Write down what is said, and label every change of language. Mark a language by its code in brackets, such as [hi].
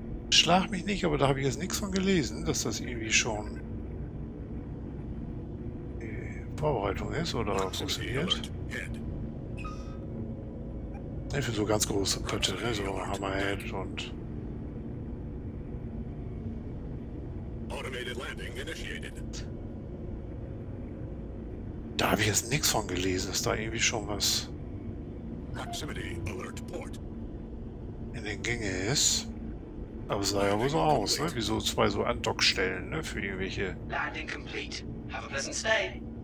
[de] Schlag mich nicht, aber da habe ich jetzt nichts von gelesen, dass das irgendwie schon die Vorbereitung ist oder funktioniert. Für so ganz große Pötte, ne? So Hammerhead und. [en] Automated landing initiated. [de] Da habe ich jetzt nichts von gelesen, dass da irgendwie schon was [en] Proximity Alert Port [de] in den Gänge ist. Aber es sah ja wohl so aus, ne? Wie so zwei so Andockstellen, ne? Für irgendwelche. [en] Landing complete. Have a pleasant stay.